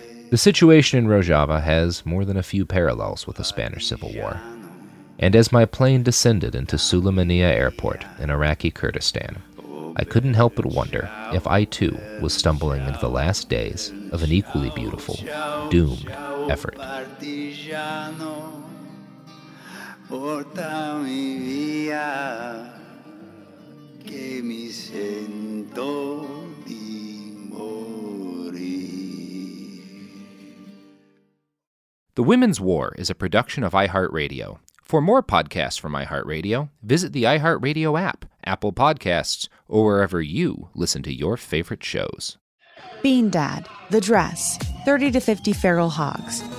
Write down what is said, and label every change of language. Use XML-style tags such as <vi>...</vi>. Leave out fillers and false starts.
<en>The situation in Rojava has more than a few parallels with the Spanish Civil War. And as my plane descended into Sulaymaniyah Airport in Iraqi Kurdistan, I couldn't help but wonder if I too was stumbling into the last days of an equally beautiful, doomed effort.</en> <it>Partigiano, portami via, che mi sento di morire.</it> <en>The Women's War is a production of iHeartRadio. For more podcasts from iHeartRadio, visit the iHeartRadio app, Apple Podcasts, or wherever you listen to your favorite shows. Bean Dad, The Dress, 30 to 50 Feral Hogs.</en>